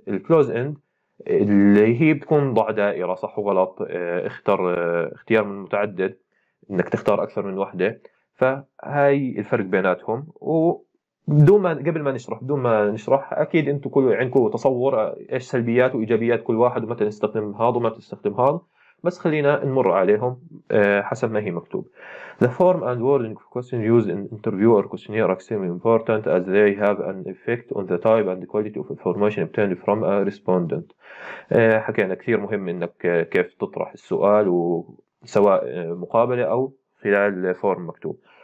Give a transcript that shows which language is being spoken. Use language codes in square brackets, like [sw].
[ar] الكلوز اند اللي هي بتكون ضع دائره صح وغلط، اختر اختيار من متعدد، انك تختار اكثر من وحده. فهاي الفرق بيناتهم. وبدون ما قبل ما نشرح بدون ما نشرح اكيد انتم كل عندكم تصور ايش سلبيات وايجابيات كل واحد، ومتى نستخدم هذا ومتى نستخدم هذا، بس خلينا نمر عليهم حسب ما هي مكتوب. [en] The form and wording of questions used in interview or questionnaire are extremely important as they have an effect on the type and quality of information obtained from a respondent. [ar] حكينا كثير مهم انك كيف تطرح السؤال، سواء مقابلة او خلال فورم مكتوب.